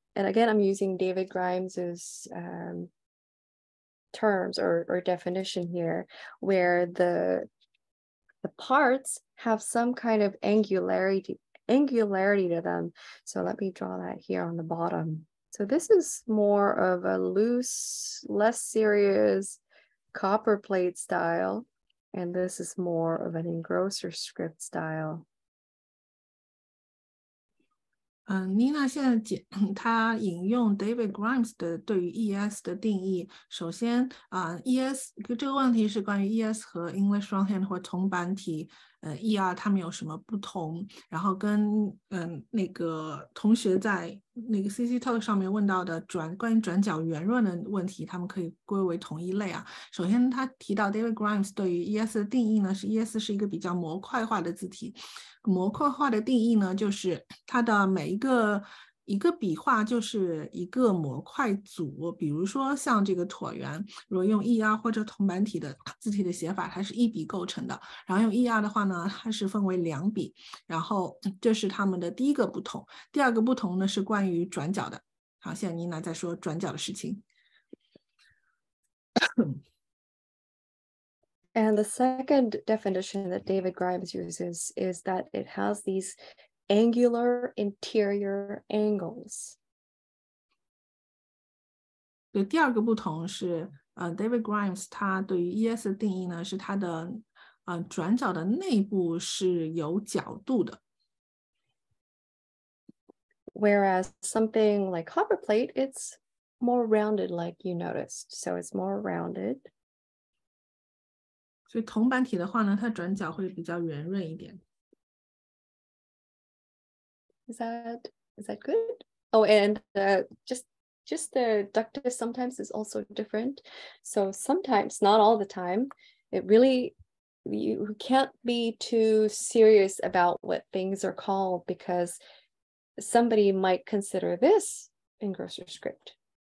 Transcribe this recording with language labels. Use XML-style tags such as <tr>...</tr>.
<en>And again, I'm using David Grimes's terms or definition here, where the parts have some kind of angularity to them. So let me draw that here on the bottom. So this is more of a loose, less serious copper plate style. And this is more of an engrosser script style.</en> <zh>Nina 现在她引用 David Grimes 的对于 ES 的定义，首先 ES 这个问题是关于 ES 和 English Longhand 或同板体 ER 他们有什么不同，然后跟那个同学在那个 CC Talk 上面问到的转关于转角圆润的问题，他们可以归为同一类啊。首先，他提到 David Grimes 对于 ES 的定义呢，是 ES 是一个比较模块化的字体。模块化的定义呢，就是它的每一个一个笔画就是一个模块组，比如说像这个椭圆，如果用 ER 或者铜板体的字体的写法，它是一笔构成的。然后用 ER 的话呢，它是分为两笔。然后这是它们的第一个不同。第二个不同呢，是关于转角的。好，现在妮娜再说转角的事情。</zh> <en>And the second definition that David Grimes uses is that it has these angular interior angles.</en> <zh>对，第二个不同是David Grimes 他对于 ES 的定义呢，是它的转角的内部是有角度的。</zh> <en>Whereas something like copperplate, it's more rounded like you noticed. So it's more rounded.</en> <zh>所以铜板体的话呢，它转角会比较圆润一点。</zh> <en>Is that good? Oh, and just the ductus sometimes is also different. So sometimes, not all the time, it really, you can't be too serious about what things are called because somebody might consider this in grocery script.</en>